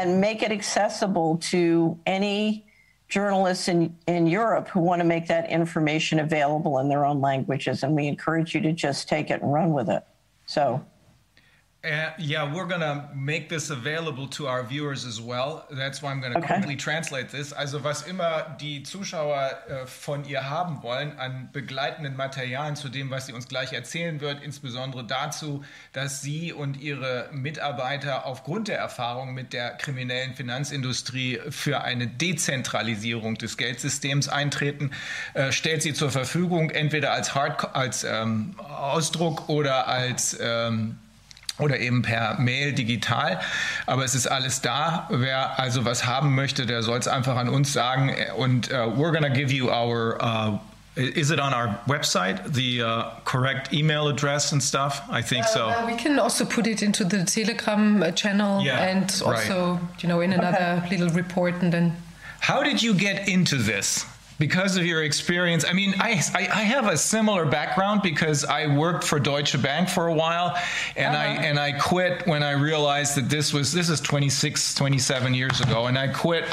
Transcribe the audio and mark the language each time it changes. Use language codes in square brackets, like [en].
[en] and make it accessible to any journalists in Europe who want to make that information available in their own languages. And we encourage you to just take it and run with it. So, Yeah, we're going to make this available to our viewers as well. That's why I'm going to quickly translate this. [de] Also, was immer die Zuschauer von ihr haben wollen an begleitenden Materialien zu dem, was sie uns gleich erzählen wird, insbesondere dazu, dass sie und ihre Mitarbeiter aufgrund der Erfahrung mit der kriminellen Finanzindustrie für eine Dezentralisierung des Geldsystems eintreten, stellt sie zur Verfügung, entweder als Ausdruck oder als oder eben per Mail digital. Aber es ist alles da. Wer also was haben möchte, der soll es einfach an uns sagen. [en] Und we're going to give you our, is it on our website, the correct email address and stuff? I think so. We can also put it into the Telegram channel and also, you know, in another little report. And then. How did you get into this? Because of your experience, I mean, I have a similar background because I worked for Deutsche Bank for a while, and I quit when I realized that this is 26, 27 years ago, and I quit.